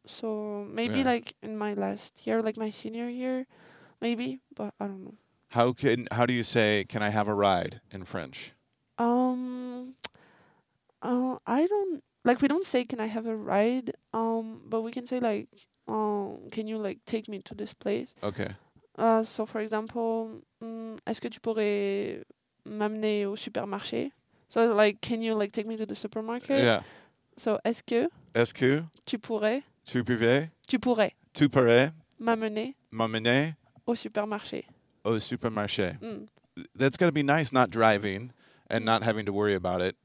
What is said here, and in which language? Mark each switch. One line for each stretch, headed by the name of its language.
English: So, maybe, like, in my last year, like, my senior year, maybe. But, I don't know. How do you say, can I have a ride in French? I don't, like, we don't say, can I have a ride? But we can say, like... can you like take me to this place? Okay. So for example,
French: est-ce que tu pourrais m'amener au supermarché?
English: So like, can you like take me to the supermarket? Yeah.
French: So est-ce que tu pourrais? Tu pouvais? Tu pourrais m'amener? M'amener au supermarché. Au supermarché.
English: That's gonna be nice, not driving and not having to worry about it.